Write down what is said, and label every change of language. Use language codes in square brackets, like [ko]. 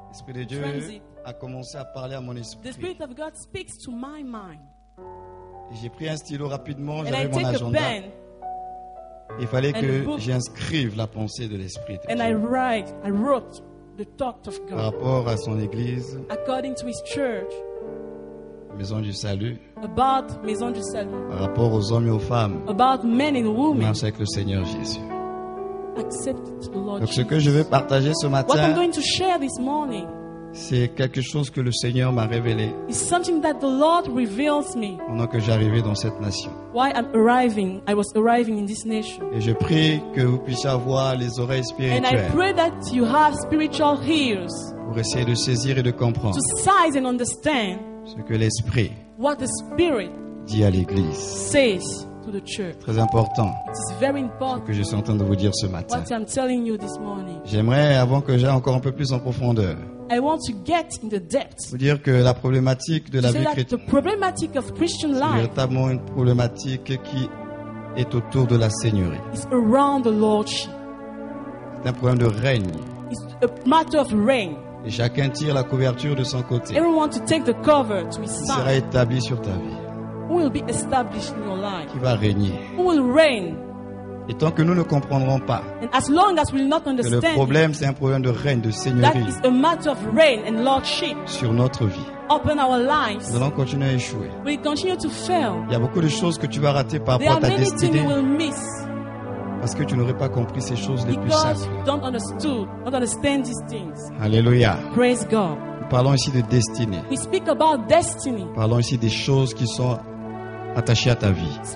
[fr] l'Esprit de Dieu a commencé à parler à mon esprit. [en] The Spirit of God speaks to my mind. [fr] Et j'ai pris un stylo rapidement, [en] and [fr] j'avais [en] I [fr] mon [en] take [fr] agenda. [en] A pen, [fr] il fallait que j'inscrive la pensée de l'Esprit. [en] And I wrote the thought of God. [fr] Par rapport à son église. [en] According to his church. [fr] Maison du salut. [en] About maison du salut. [fr] Par rapport aux hommes et aux femmes. [en] About men and women. [fr] Merci avec le Seigneur Jésus. [en] Accept the Lord. [fr] Donc ce que je veux partager ce matin. [en] What I'm going to share this morning. [fr] C'est quelque chose que le Seigneur m'a révélé. [en] Is something that the Lord reveals me. [fr] Pendant que j'arrivais dans cette nation. [en] While I'm arriving, I was arriving in this nation. [fr] Et je prie que vous puissiez avoir les oreilles spirituelles. [en] And I pray that you have spiritual ears. [fr] Pour essayer de saisir et de comprendre. [en] To size and understand. [fr] Ce que l'Esprit [en] what the Spirit [fr] dit à l'Église. [en] Says to the church. [fr] Très important. [en] It's very important. [fr] Ce que je suis en train de vous dire ce matin. [en] What I'm telling you this morning. [fr] J'aimerais, avant que j'aille encore un peu plus en profondeur, [en] I want to get in the depth. [fr] Vous dire que la problématique de [en] to [fr] la vie chrétienne, [en] the problematic of Christian life, [fr] c'est véritablement une problématique qui est autour de la Seigneurie. [en] It's around the Lordship. [fr] C'est un problème de règne. [en] It's a matter of reign. [fr] Et chacun tire la couverture de son côté. [en] Everyone to take the cover to his side. [fr] Qui sera établi sur ta vie. [en] Who will be established in your life. [fr] Qui va régner. [en] Who will reign. [fr] Et tant que nous ne comprendrons pas. [en] And as long as we will not understand. [fr] Que le problème c'est un problème de règne, de seigneurie. [en] That is a matter of reign and lordship. [fr] Sur notre vie. [en] Upon our lives. [fr] Nous allons continuer à échouer. [en] We will continue to fail. [fr] Il y a beaucoup de choses que tu vas rater par rapport à ta destinée. [en] There are many things you will miss. [fr] Parce que tu n'aurais pas compris ces choses les [en] because [fr] plus simples. [en] Don't understood, don't understand these things. [fr] Alléluia. [en] Praise God. [fr] Nous parlons ici de destinée. [en] We speak about destiny. [fr] Nous parlons ici des choses qui sont attachées à ta vie.